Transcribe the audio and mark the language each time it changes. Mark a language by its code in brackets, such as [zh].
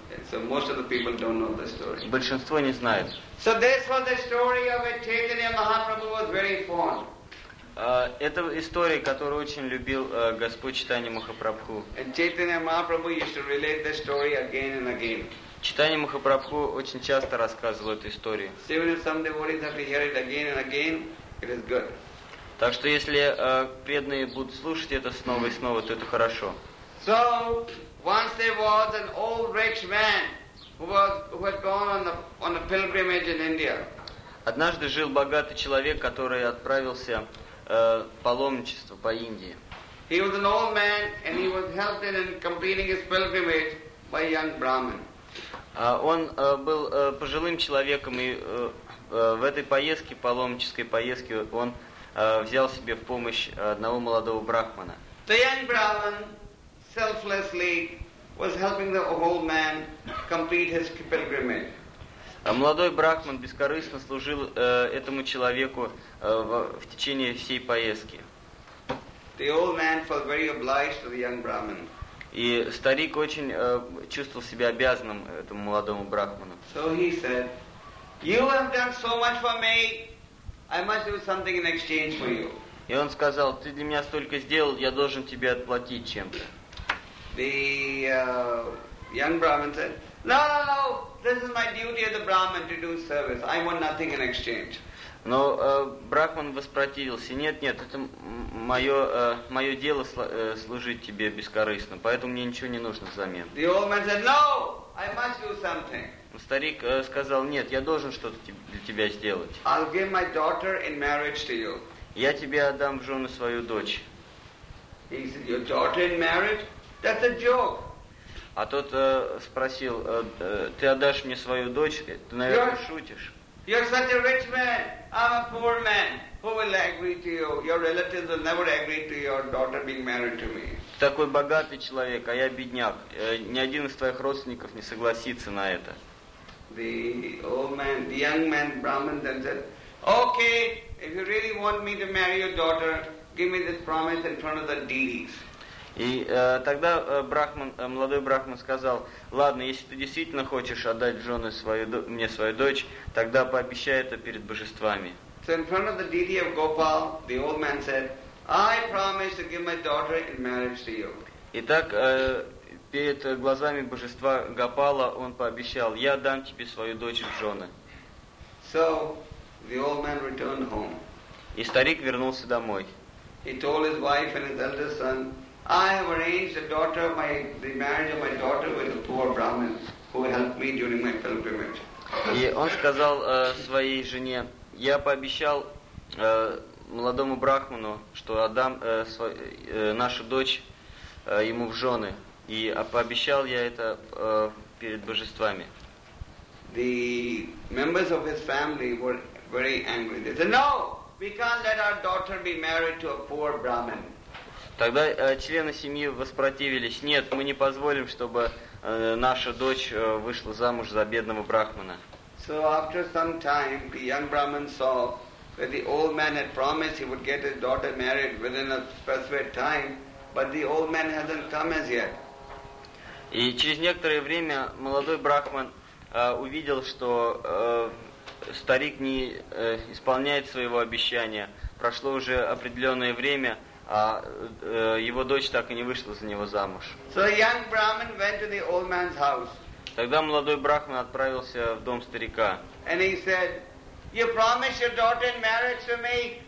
[en] So most of the people don't know the story. [ru] Большинство не знает. [en] So this was the story of a Chaitanya Mahaprabhu was very fond. [ru] Это история, которую очень любил Господь Чайтанья Махапрабху. [en] And Chaitanya Mahaprabhu used to relate this story again and again. [ru] Чайтанья Махапрабху очень часто рассказывал эту историю. [en] So even if some devotees have to hear it again and again, it is good. [ru] Так что если преданные будут слушать это снова и снова, то это хорошо. [en] So once there was an old rich man who had gone on a pilgrimage in India. [ru] Однажды жил богатый человек, который отправился паломничество по Индии. [en] He was an old man and he was helped in completing his pilgrimage by a young Brahmin. [ru] Он был пожилым человеком, и в этой поездке, паломнической поездке, он взял себе в помощь одного молодого брахмана. [en] The young Brahmin selflessly was helping the old man complete his pilgrimage. [ru] Молодой брахман бескорыстно служил этому человеку в течение всей поездки. [en] The old man felt very obliged to the young Brahmin. [ru] И старик очень чувствовал себя обязанным этому молодому брахману. [en] So he said, "You have done so much for me. I must do something in exchange for you." [ru] И он сказал: "Ты для меня столько сделал, я должен тебе отплатить чем-то." [en] The young Brahmin said, "No. This is my duty as a Brahmin to do service. I want nothing in exchange." [ru] Но брахман воспротивился: нет, это мое дело служить тебе бескорыстно, поэтому мне ничего не нужно взамен. [en] The old man said, "No, I must do something." [ru] Старик сказал: нет, я должен что-то для тебя сделать. [en] I'll give my daughter in marriage to you. [ru] Я тебе отдам в жены свою дочь. [en] He said, "Your daughter in marriage? That's a joke." [ru] А тот спросил: ты отдашь мне свою дочь? Ты, наверное, шутишь. [en] You're such a rich man. I'm a poor man. Who will agree to you? Your relatives will never agree to your daughter being married to me. [ru] Такой богатый человек, а я бедняк. Ни один из твоих родственников не согласится на это. [en] The old man, the young man, Brahmin then said, "Okay, if you really want me to marry your daughter, give me this promise in front of the deities." [ru] И тогда молодой брахман сказал: ладно, если ты действительно хочешь отдать в жены мне свою дочь, тогда пообещай это перед божествами. [en] So in front of the deity of Gopal, the old man said, "I promise to give my daughter in marriage to you." [ru] Итак, перед глазами божества Гопала он пообещал: я дам тебе свою дочь в жены. [en] So the old man returned home. [ru] И старик вернулся домой. [en] He told his wife and his eldest son, "I have arranged the marriage of my daughter with a poor Brahmin who helped me during my pilgrimage." [ru] И он сказал своей жене: я пообещал молодому брахману, что отдам нашу дочь ему в жены, и пообещал я это перед божествами. [en] The members of his family were very angry. They said, "No, we can't let our daughter be married to a poor Brahmin." [ru] Тогда члены семьи воспротивились: нет, мы не позволим, чтобы наша дочь вышла замуж за бедного брахмана. [en] So after some time, the young Brahmin saw that the old man had promised he would get his daughter married within a specified time, but the old man hasn't come as yet. [ru] И через некоторое время молодой брахман увидел, что старик не исполняет своего обещания. Прошло уже определенное время, а его дочь так и не вышла за него замуж. [en] So the young Brahmin went to the old man's house. [ru] Тогда молодой брахман отправился в дом старика. [en] And he said, "You promised your daughter in marriage to me.